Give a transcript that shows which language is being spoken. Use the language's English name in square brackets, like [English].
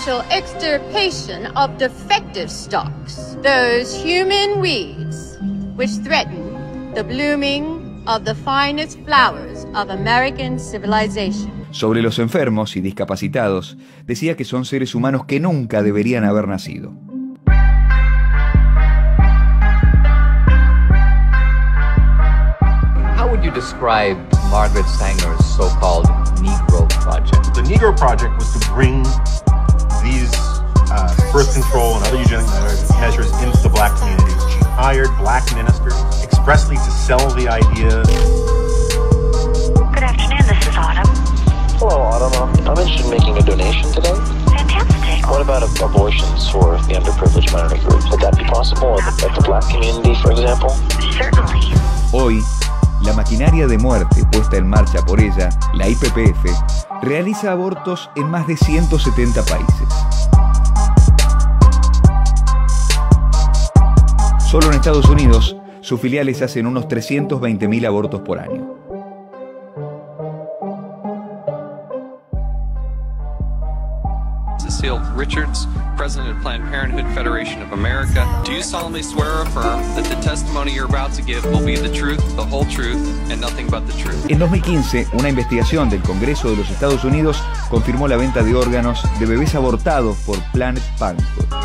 [English] Extirpation of defective stocks, those human weeds which threaten the blooming of the finest flowers of American civilization. [Spanish] Sobre los enfermos y discapacitados, decía que son seres humanos que nunca deberían haber nacido. [English] How would you describe Margaret Sanger's so-called Negro Project? The Negro Project was to bring these birth control and other eugenic measures into the black community. She hired black ministers expressly to sell the idea. Good afternoon, this is Autumn. Hello, Autumn. I'm interested in making a donation today. Fantastic. What about abortions for the underprivileged minority groups? Would that be possible at the black community, for example? Certainly. [Spanish] Hoy, la maquinaria de muerte puesta en marcha por ella, la IPPF, realiza abortos en más de 170 países. Solo en Estados Unidos, sus filiales hacen unos 320.000 abortos por año. [English] Cecile Richards, president of Planned Parenthood Federation of America. Do you solemnly swear or affirm that the testimony you're about to give will be the truth, the whole truth, and nothing but the truth? [Spanish] En 2015, una investigación del Congreso de los Estados Unidos confirmó la venta de órganos de bebés abortados por Planned Parenthood.